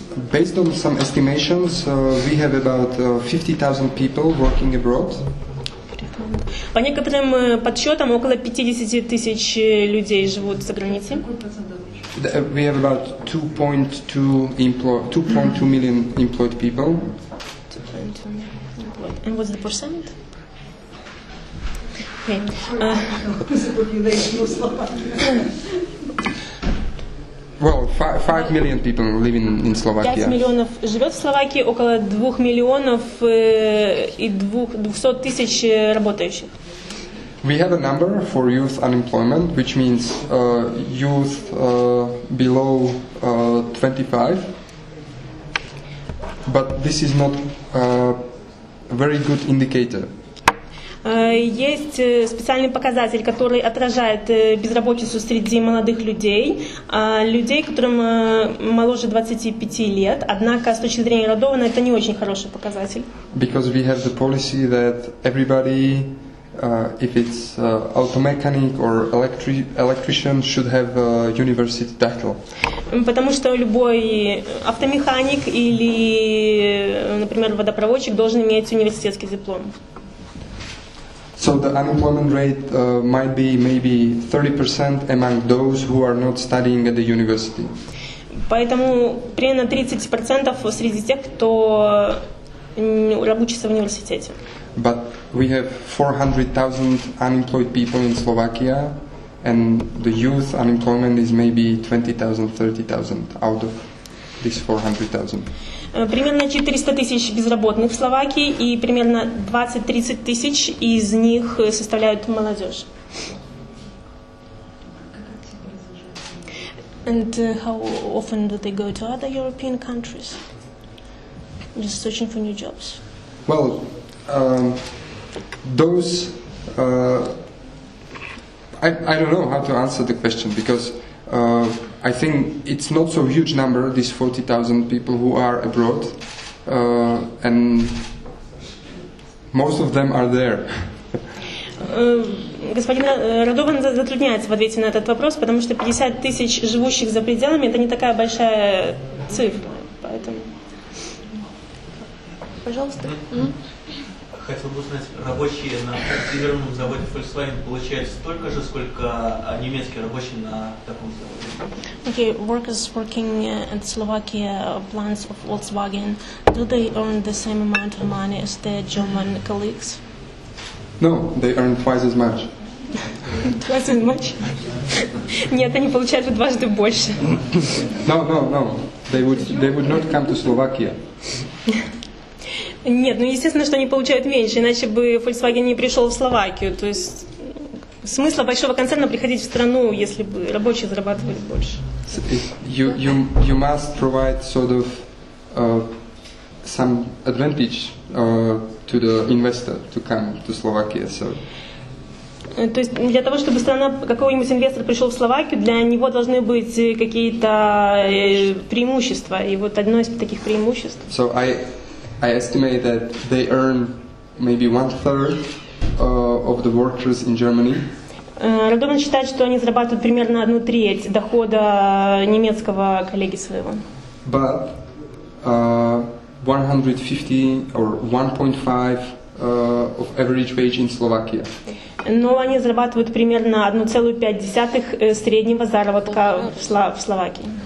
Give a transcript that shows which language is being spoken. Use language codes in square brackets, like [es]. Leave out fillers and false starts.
[en] Based on some estimations, we have about 50,000 people working abroad. [ru] По некоторым подсчетам около 50,000 людей живут за границей. [en] We have about 2.2 million employed people. 2.2 million. And what's the percent? Well, 5 million people live in Slovakia. [ru] 5 миллионов живет в Словакии, около 2 миллионов и 200 тысяч работающих. [en] We have a number for youth unemployment, which means youth below 25. But this is not a very good indicator. [ru] Есть специальный показатель, который отражает безработицу среди молодых людей, людей, которым моложе 25 лет. Однако, с точки зрения Радована, это не очень хороший показатель. [en] Because we have the policy that everybody, if it's auto mechanic or electrician, should have a university title. [ru] Потому что любой автомеханик или, например, водопроводчик должен иметь университетский диплом. [en] So the unemployment rate might be maybe 30% among those who are not studying at the university. [ru] Поэтому примерно 30% среди тех, кто учится в университете. [en] But we have 400,000 unemployed people in Slovakia, and the youth unemployment is maybe 20,000, 30,000 out of these 400,000. [ru] Примерно 400 тысяч безработных в Словакии, и примерно 20-30 тысяч из них составляют молодежь. [en] And how often do they go to other European countries? Just searching for new jobs. Well, those... I don't know how to answer the question, because... I think it's not so huge number, these 40,000 people who are abroad, and most of them are there. [ru] Господин Радован затрудняется в ответе на этот вопрос, потому что 50 тысяч живущих за пределами — это не такая большая цифра, поэтому... Пожалуйста. Хотел бы узнать, рабочие на северном заводе Volkswagen получают столько же, сколько немецкие рабочие на таком заводе? [en] Okay, workers working at Slovakia plants of Volkswagen, do they earn the same amount of money as their German colleagues? No, they earn twice as much. Twice as much? [ru] Нет, они получают дважды больше. [en] No. They would not come to Slovakia. [ru] Нет, ну естественно, что они получают меньше, иначе бы Volkswagen не пришел в Словакию. То есть смысла большого концерна приходить в страну, если бы рабочие зарабатывали больше. [en] You must provide sort of some advantage to the investor to come to Slovakia. So. [ru] То есть для того, чтобы страна, какой-нибудь инвестор пришел в Словакию, для него должны быть какие-то преимущества. И вот одно из таких преимуществ. [en] So I estimate that they earn maybe 1/3 of the workers in Germany. [ru] Радован считает, что они зарабатывают примерно 1/3 дохода немецкого коллеги своего. [en] But 150 or 1.5 of average wage in Slovakia. [ru] Но они зарабатывают примерно 1,5 среднего заработка в Словакии.